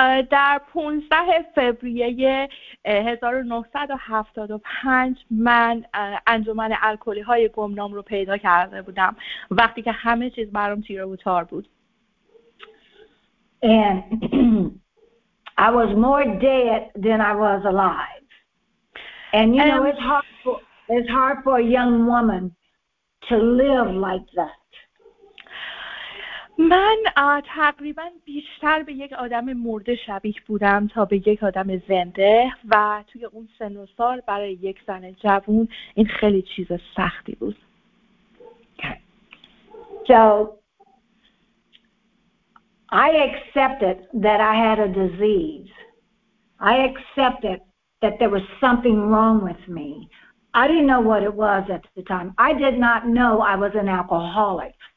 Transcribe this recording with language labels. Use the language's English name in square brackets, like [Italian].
[Persian] در 15 فوریه 1975 من انجمن الکلی های گمنام رو پیدا کرده بودم وقتی که همه چیز برام تیره و تار بود. [English] And I was more dead than I was alive. And you know it's hard for a young woman to live like that. [Persian] من تقریبا بیشتر به یک آدم مرده شبیه بودم تا به یک آدم زنده و توی اون سن و سال برای یک زن جوان این خیلی چیز سختی بود. [English] So I accepted that I had a disease. I accepted that there was something wrong with me. I didn't know what it was at the time. I did not know I was an alcoholic.